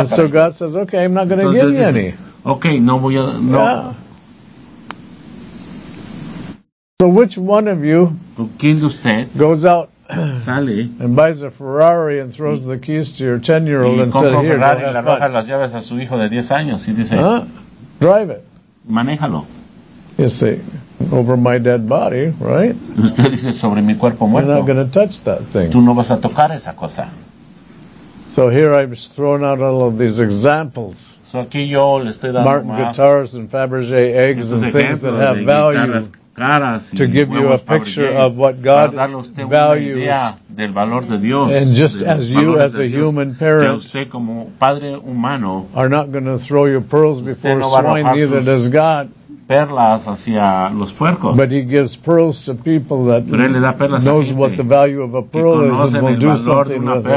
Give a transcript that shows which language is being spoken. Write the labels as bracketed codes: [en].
[en] And so God says, "Okay, I'm not going to give you any." [es] Okay, no voy a no. [en] Yeah. So which one of you goes out [es] sale [en] and buys a Ferrari and throws the keys to your 10-year-old and says, "Here, [es] Ferrari, y le arroja las llaves a su hijo de 10 años y dice, [en] drive it. [es] Manéjalo. [en] You see, over my dead body, right? [es] Usted dice, sobre mi cuerpo muerto. [en] You're not going to touch that thing. [es] Tú no vas a tocar esa cosa. [en] So here I've thrown out all of these examples. [es] So aquí yo le estoy dando [en] Martin [es] más [en] guitars and Fabergé eggs and things that have value. To give you a picture of what God values, [es] del valor de Dios, [en] and just as you as a human parent [es] como padre humano, [en] are not going to throw your pearls before swine, neither does God. [es] Perlas hacia los puercos. [en] But he gives pearls to people that knows what the value of a pearl is and will do something with